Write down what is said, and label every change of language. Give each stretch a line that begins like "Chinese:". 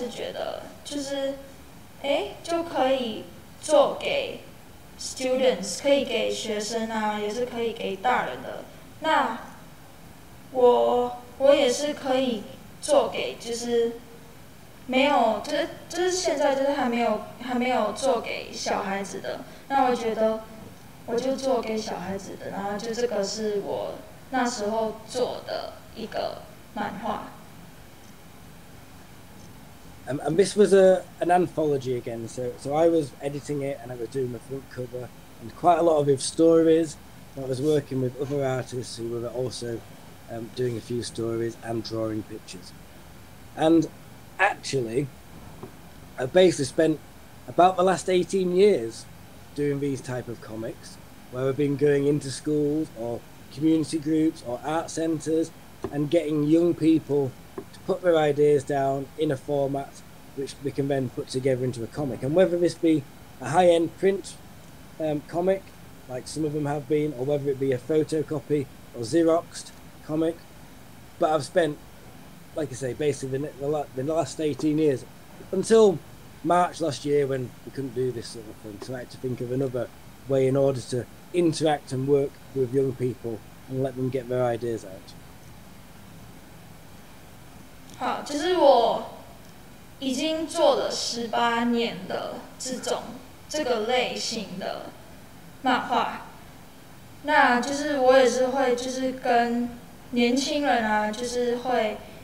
Chinese: 好，就是他就一开始觉得就是，诶，就可以 做给students， 可以给学生啊，也是可以给大人的。那我也是可以做给，就是没有，就是现在就是还没有做给小孩子的。那我觉得我就做给小孩子的，然后就这个是我那时候做的一个漫画。
English: And this was an anthology again, so I was editing it and I was doing the front cover and quite a lot of his stories. I was working with other artists who were also doing a few stories and drawing pictures. And actually, I basically spent about the last 18 years doing these type of comics, where I've been going into schools or community groups or art centres and getting young people to put their ideas down in a format which we can then put together into a comic. And whether this be a high-end print comic, like some of them have been, or whether it be a photocopy or Xeroxed comic, but I've spent, like I say, basically the last 18 years, until March last year when we couldn't do this sort of thing, so I had to think of another way in order to interact and work with young people and let them get their ideas out.
Chinese: 好，就是我已经做了18年的这种这个类型的漫画，那就是我也是会就是跟年轻人啊，就是会